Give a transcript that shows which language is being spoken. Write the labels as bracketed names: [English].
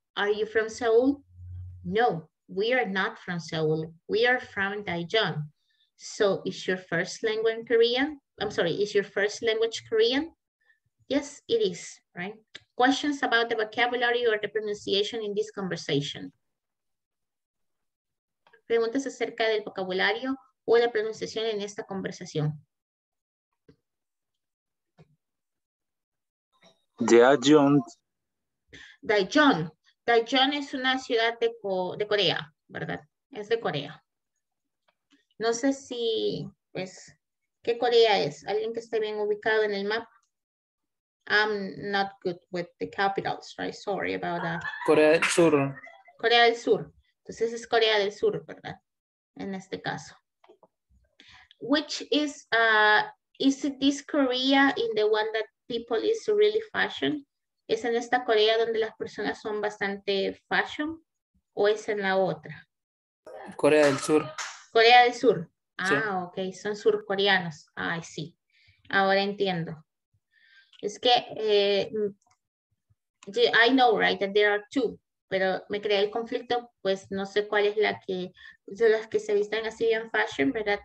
[English] Are you from Seoul? No, we are not from Seoul. We are from Daejeon. So is your first language Korean? I'm sorry, is your first language Korean? Yes, it is, right? Questions about the vocabulary or the pronunciation in this conversation? [Spanish] Preguntas acerca del vocabulario o la pronunciación en esta conversación. Daejeon. Daejeon. Daejeon es una ciudad de Corea, ¿verdad? Es de Corea. No sé si, pues, ¿qué Corea es? ¿Alguien que esté bien ubicado en el mapa? [English] I'm not good with the capitals, right? Sorry about that. [Spanish] Corea del Sur. Corea del Sur. Entonces es Corea del Sur, ¿verdad? En este caso. [English] Which is it this Korea in the one that people is really fashion? [Spanish] ¿Es en esta Corea donde las personas son bastante fashion? ¿O es en la otra? Corea del Sur. Corea del Sur. Ah, sí. Ok. Son surcoreanos. Ay, sí. Ahora entiendo. Es que, [English] I know, right, that there are two, [Spanish] pero me creé el conflicto, pues no sé cuál es la que, de las que se visten así en fashion, ¿verdad?